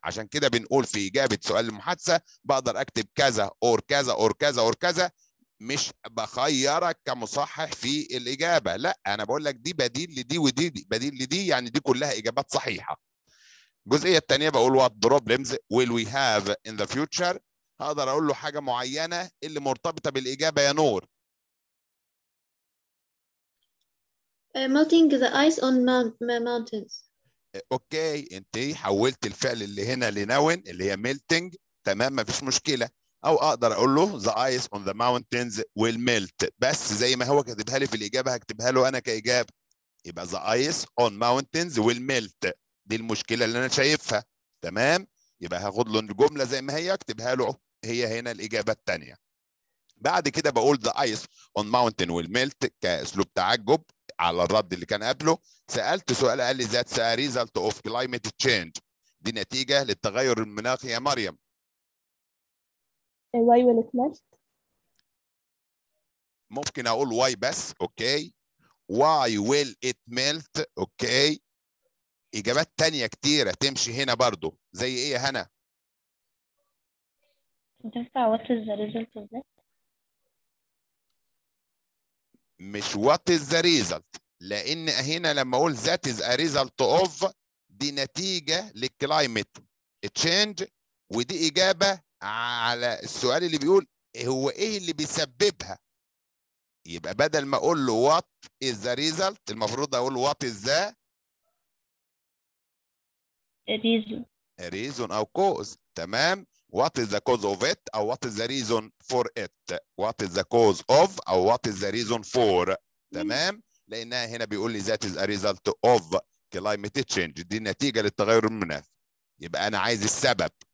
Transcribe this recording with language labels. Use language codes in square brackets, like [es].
[ar] عشان كده بنقول في إجابة سؤال المحادثة بقدر أكتب كذا أور كذا أور كذا أور كذا، مش بخيرك كمصحح في الإجابة، لا، أنا بقول لك دي بديل لدي ودي بديل لدي، يعني دي كلها إجابات صحيحة. الجزئية الثانية بقول [en] what problems will we have in the future، [ar] هقدر أقول له حاجة معينة اللي مرتبطة بالإجابة يا نور. [en] Melting the ice on mountains. [ar] أوكي، أنت حولت الفعل اللي هنا لنون اللي هي melting، تمام، ما فيش مشكلة. أو أقدر أقول له [en] the ice on the mountains will melt، [ar] بس زي ما هو كتبها لي في الإجابة هكتبها له أنا كإجابة، يبقى [en] the ice on mountains will melt، [ar] دي المشكلة اللي أنا شايفها، تمام؟ يبقى هاخد له الجملة زي ما هي أكتبها له هي هنا الإجابة التانية. بعد كده بقول [en] the ice on mountain will melt [ar] كأسلوب تعجب على الرد اللي كان قبله. سألت سؤال قال لي ذات [en] a result of climate change، [ar] دي نتيجة للتغير المناخي يا مريم. ممكن اقول why بس، اوكي، [en] why will it melt، [ar] اوكي. اجابات تانية كتيرة تمشي هنا برضو، زي ايه يا هنا؟ مش [en] what is the result، [ar] لان هنا لما اقول [en] that is a result of [ar] دي نتيجة للclimate change، ودي اجابة على السؤال اللي بيقول هو ايه اللي بيسببها. يبقى بدل ما اقول له [en] what is the result [ar] المفروض اقول what is the [en] reason [ar] او cause، تمام، [en] what is the cause of it [ar] او [en] what is the reason for it، [ar] what is the cause of او what is the reason for، تمام، لانها هنا بيقول لي [en] that is a result of climate change، [ar] دي نتيجة للتغير المناخي، يبقى انا عايز السبب.